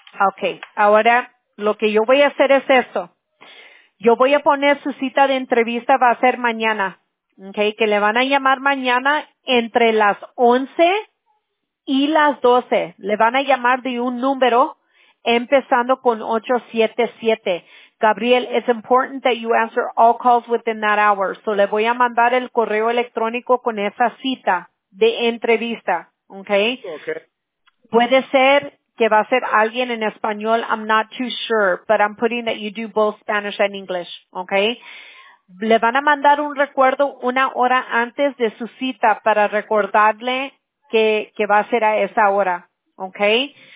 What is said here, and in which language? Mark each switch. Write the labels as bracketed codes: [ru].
[es] Okay, ahora lo que yo voy a hacer es esto. Yo voy a poner su cita de entrevista, va a ser mañana, okay, que le van a llamar mañana entre las 11 y las 12. Le van a llamar de un número empezando con 877. [en] Gabriel, it's important that you answer all calls within that hour. [es] So le voy a mandar el correo electrónico con esa cita de entrevista, okay? [en] Okay. [es] Puede ser que va a ser alguien en español, [en] I'm not too sure, but I'm putting that you do both Spanish and English, okay? [es] Le van a mandar un recuerdo una hora antes de su cita para recordarle que va a ser a esa hora, okay?